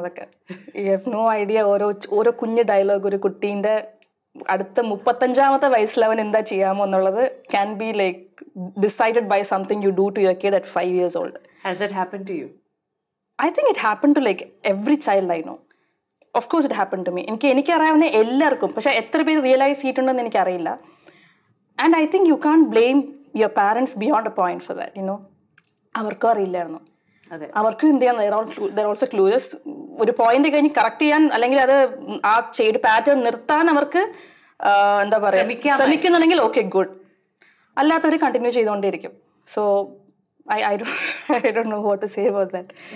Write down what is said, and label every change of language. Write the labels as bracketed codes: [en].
[ml] അതൊക്കെ no idea, ഓരോ ഓരോ കുഞ്ഞു ഡയലോഗ് ഒരു കുട്ടീൻ്റെ അടുത്ത 35-ാമത്തെ വയസ്സിൽ അവൻ എന്താ ചെയ്യാമോ എന്നുള്ളത് [en] Can be like decided by something you do to your kid at 5 years old. Has that happened to you? I think it happened to like every child I know. Of course it happened to me. [ml] എനിക്ക് അറിയാവുന്ന എല്ലാവർക്കും, പക്ഷേ എത്ര പേര് realise ചെയ്തിട്ടുണ്ടെന്ന് എനിക്കറിയില്ല. [en] And I think you can't blame your parents beyond a point for that, you know. [ml] അവർക്കും അറിയില്ലായിരുന്നു. അവർക്കും എന്ത് ചെയ്യാൻ, [en] they're also clueless. [ml] ഒരു പോയിന്റ് കഴിഞ്ഞ് കറക്റ്റ് ചെയ്യാൻ അല്ലെങ്കിൽ അത് ആ ചെയ്ത് പാറ്റേൺ നിർത്താൻ അവർക്ക് എന്താ പറയുക ശ്രമിക്കുന്നുണ്ടെങ്കിൽ ഓക്കെ ഗുഡ്, അല്ലാത്തവർ continue ചെയ്തുകൊണ്ടേയിരിക്കും. So [en] I don't know what to say about that.